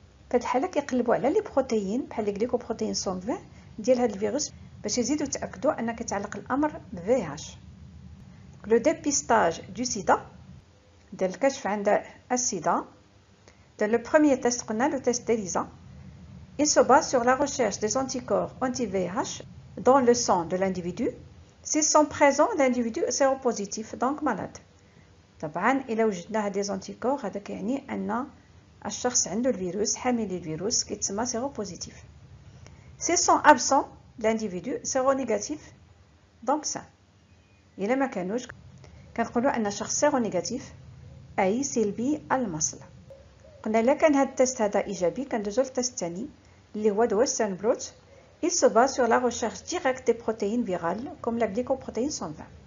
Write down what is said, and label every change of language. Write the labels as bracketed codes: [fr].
[ar] فهاد الحاله كيقلبوا على لي بروتيين بحال الجليكو بروتيين سونفين ديال هاد الفيروس باش يزيدوا يتاكدوا ان كيتعلق الامر بفي اتش. لو ديبيستاج دو سيدا ديال الكشف عند السيدا، ديال لو بروميير تيست قلنا لو تيست ديليزا، [fr] il se base sur la recherche des anticorps anti-VIH dans le sang de l'individu. S'ils sont présents, l'individu est séropositif, donc malade. [ar] طبعا الى وجدنا هاد لي زونتيكور هذا كيعني ان الشخص عنده الفيروس، حامل الفيروس كيتسمى séropositif. [fr] S'ils sont absents, l'individu est séronégatif, donc sain. [ar] الى ما كانوش كنقولوا ان الشخص séronégatif اي سلبي المصل. قلنا الا كان هاد التست هذا ايجابي كندوزو للتست الثاني اللي هو دو ويسترن بلوت، [fr] il se base sur la recherche directe des protéines virales comme la glycoprotéine 120.